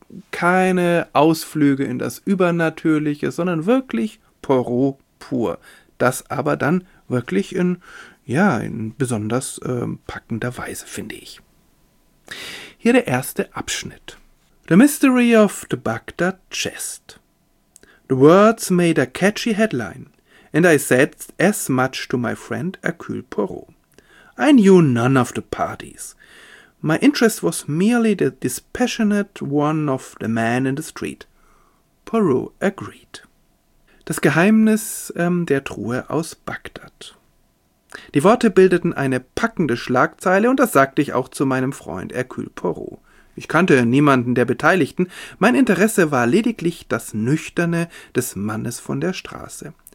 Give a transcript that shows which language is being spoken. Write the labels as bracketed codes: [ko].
[de] Keine Ausflüge in das Übernatürliche, sondern wirklich Poirot pur. Das aber dann wirklich in besonders packender Weise, finde ich. Hier der erste Abschnitt. [en] The Mystery of the Bagdad Chest. The words made a catchy headline, and I said as much to my friend Hercule Poirot. I knew none of the parties. My interest was merely the dispassionate one of the man in the street. Poirot agreed. [de] Das Geheimnis der Truhe aus Bagdad. Die Worte bildeten eine packende Schlagzeile und das sagte ich auch zu meinem Freund Hercule Poirot. Ich kannte niemanden der Beteiligten, mein Interesse war lediglich das Nüchterne des Mannes von der Straße.